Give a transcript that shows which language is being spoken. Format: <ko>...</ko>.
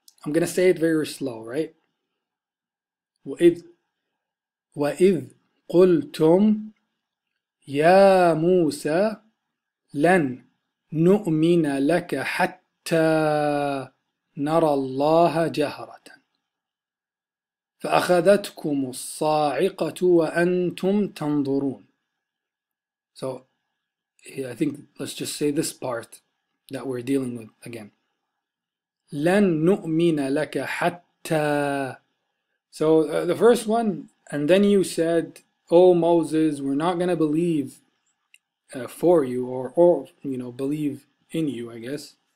<en>I'm gonna say it very slow, right?</en> <ar>وَإِذْ قلتم يا موسى لن نؤمن لك حتى نرى الله جهرة فأخذتكم الصاعقة وأنتم تنظرون.</ar> <en>So I think let's just say this part that we're dealing with again.</en> <ar>لن نؤمن لك حتى.</ar> <en>So the first one, and then you said, oh Moses, we're not going to believe for you, or you know, believe in you, I guess.</en>